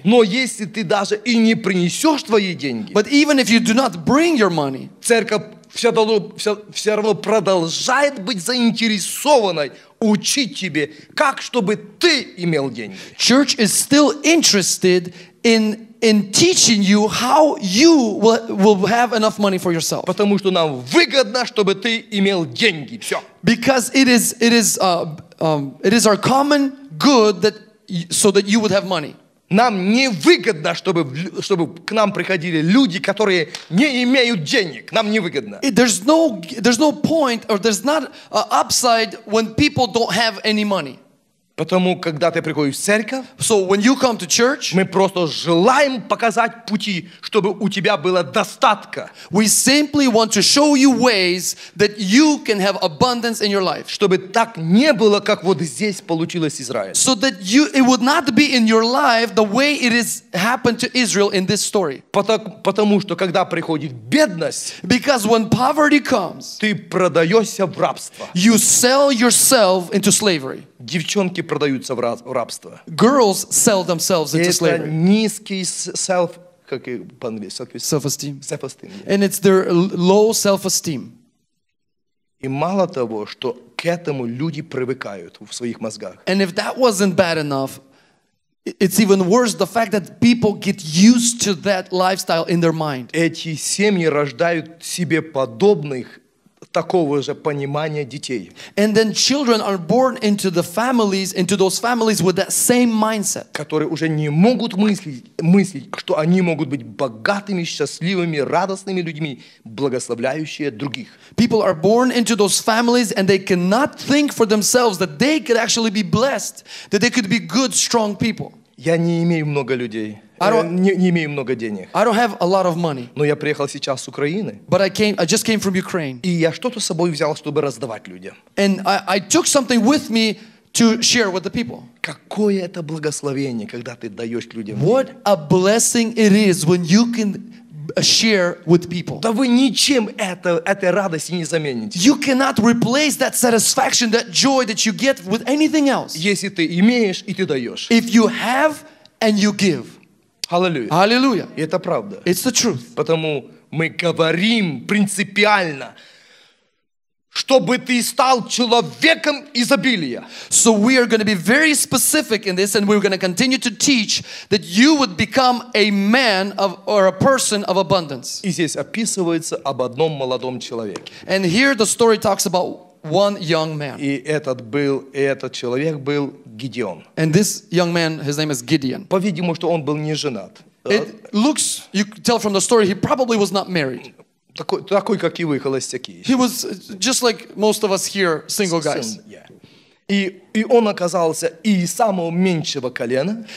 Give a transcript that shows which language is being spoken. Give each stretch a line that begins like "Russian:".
Russian: Но если ты даже и не принесешь твои деньги,
English: but even if you do not bring your money,
Russian: церковь все равно продолжает быть заинтересованной учить тебе, как чтобы ты имел деньги.
English: Church is still interested in teaching you how you will have enough money for yourself.
Russian: Потому что нам выгодно, чтобы ты имел деньги. Все.
English: Because it is our common good that so that you would have money.
Russian: Нам не выгодно, чтобы к нам приходили люди, которые не имеют денег. Нам не выгодно.
English: There's no point or there's not an upside when people don't have any money.
Russian: Потому когда ты приходишь в церковь,
English: so when you come to church,
Russian: мы просто желаем показать пути, чтобы у тебя было достатка.
English: We simply want to show you ways that you can have abundance in your life.
Russian: Чтобы так не было, как вот здесь получилось Израиль.
English: So that it would not be in your life the way it is happened to Israel in this story.
Russian: Потому что когда приходит бедность,
English: because when poverty comes,
Russian: ты продаешься в рабство.
English: You sell yourself into slavery.
Russian: Девчонки продаются в рабство.
English: Girls sell themselves into slavery.
Russian: Это низкий self, как и по-английски,
English: self-esteem. Self-esteem. Yeah. And it's their low self-esteem.
Russian: И мало того, что к этому люди привыкают в своих мозгах.
English: And if that wasn't bad enough, it's even worse the fact that people get used to that lifestyle in their mind.
Russian: Эти семьи рождают себе подобных такого же понимания детей.
English: And then children are born into the families, into those families with that same mindset.
Russian: Которые уже не могут мыслить, что они могут быть богатыми, счастливыми, радостными людьми, благословляющие других.
English: People are born into those families and they cannot think for themselves that they could actually be blessed, that they could be good, strong people.
Russian: Я не имею много людей. Не имею много денег.
English: I don't have a lot of money.
Russian: Но я приехал сейчас с Украины.
English: But I just came from Ukraine.
Russian: И я что-то с собой взял, чтобы раздавать людям.
English: And I took something with me to share with the people.
Russian: Какое это благословение, когда ты даешь людям.
English: What a blessing it is when you can share with people.
Russian: Да вы ничем этой радости не замените.
English: You cannot replace that satisfaction, that joy that you get with anything else.
Russian: Если ты имеешь и ты даешь.
English: If you have and you give.
Russian: Аллилуйя. И это правда.
English: It's the truth.
Russian: Потому мы говорим принципиально, чтобы ты стал человеком изобилия.
English: So we are going to be very specific in this, and we're going to continue to teach that you would become a man of or a person of abundance.
Russian: И здесь описывается об одном молодом человеке.
English: And here the story talks about one young man.
Russian: И этот человек был Гедеон.
English: And this young man, his name is Gideon.
Russian: По-видимому, что он был не женат.
English: It looks, you can tell from the story, he probably was not married.
Russian: Такой, как и вы, холостяки.
English: He was just like most of us here, single guys.
Russian: И он оказался из самого меньшего колена.